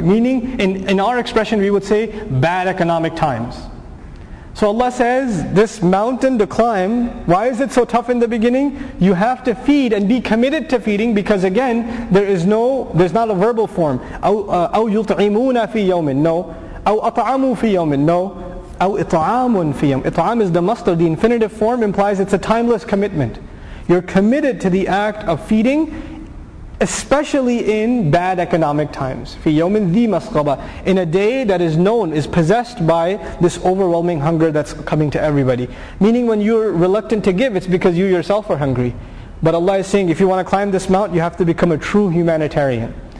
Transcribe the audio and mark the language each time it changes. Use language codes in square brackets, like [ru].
[en] Meaning, in our expression, we would say bad economic times. So Allah says, this mountain to climb, why is it so tough in the beginning? You have to feed and be committed to feeding because again, there's not a verbal form. [ar] أَوْ يُطْعِمُونَ فِي يَوْمٍ No. أَوْ أَطْعَمُوا فِي يَوْمٍ No. أَوْ إِطْعَامٌ فِي يَوْمٍ إِطْعَام [en] is the [ar] مصدر. [en] The infinitive form implies it's a timeless commitment. You're committed to the act of feeding, especially in bad economic times. [ar] فِي يَوْمٍ ذِي مَسْغَبَةٍ [en] In a day that is known, is possessed by this overwhelming hunger that's coming to everybody. Meaning when you're reluctant to give, it's because you yourself are hungry. But Allah is saying, if you want to climb this mount, you have to become a true humanitarian.